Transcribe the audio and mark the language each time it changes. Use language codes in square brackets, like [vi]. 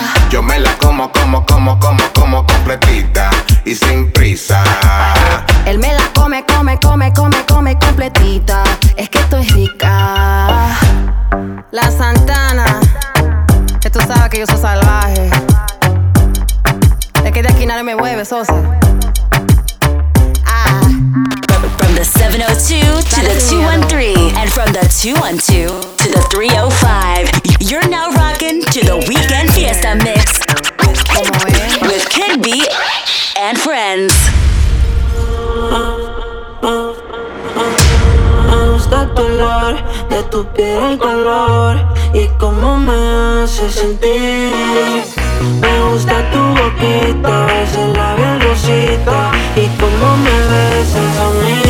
[es] Yo me la como, como, como, como, como completita y sin prisa. Él me la come, come, come, come, come completita. Es que estoy rica. La Santana. Que tú sabes que yo soy salvaje. Es que de aquí nadie me mueve, Sosa. [en] From the 702 to the 213, and from the 212 to the 305, you're now rocking to the Weeknd Fiesta Mix with Kid B and Friends. [es] Me gusta el color de tu piel, el color y cómo me hace sentir. Me gusta tu boquita, ese labial rosita y cómo me besas a mí.